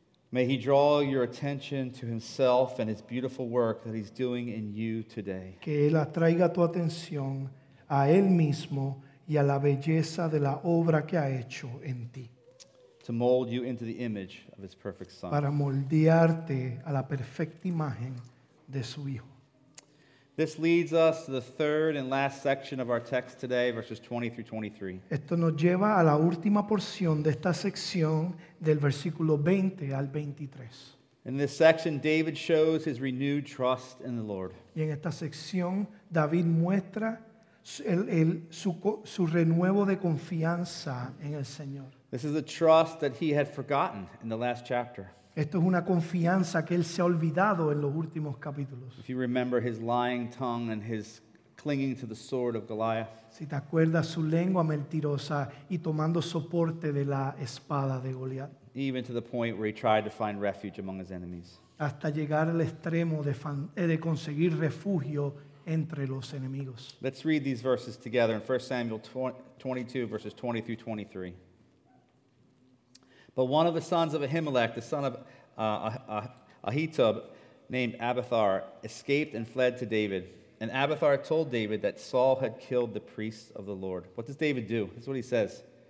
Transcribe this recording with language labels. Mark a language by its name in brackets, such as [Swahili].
[English] May he draw your attention to himself and his beautiful work that he's doing in you today. [Spanish] Que él atraiga tu atención a él mismo y a la belleza de la obra que ha hecho en ti. [English] To mold you into the image of his perfect son. [Spanish] Para moldearte a la perfecta imagen de su hijo. [English] This leads us to the third and last section of our text today, verses 20 through 23. [Spanish] Esto nos lleva a la última porción de esta sección del versículo 20 al 23. [English] In this section, David shows his renewed trust in the Lord. [Spanish] Y en esta sección, David muestra su renuevo de confianza en el Señor. [English] This is a trust that he had forgotten in the last chapter. [Spanish] Esto es una confianza que él se ha olvidado en los últimos capítulos. [English] If you remember his lying tongue and his clinging to the sword of Goliath. [Spanish] Si te acuerdas su lengua mentirosa y tomando soporte de la espada de Goliath. [English] Even to the point where he tried to find refuge among his enemies. [Spanish] Hasta llegar al extremo de conseguir refugio entre los enemigos. [English] Let's read these verses together in 1 Samuel 22, verses 20 through 23. But one of the sons of Ahimelech, the son of Ahitub, named Abiathar, escaped and fled to David. And Abiathar told David that Saul had killed the priests of the Lord. What does David do? This is what he says.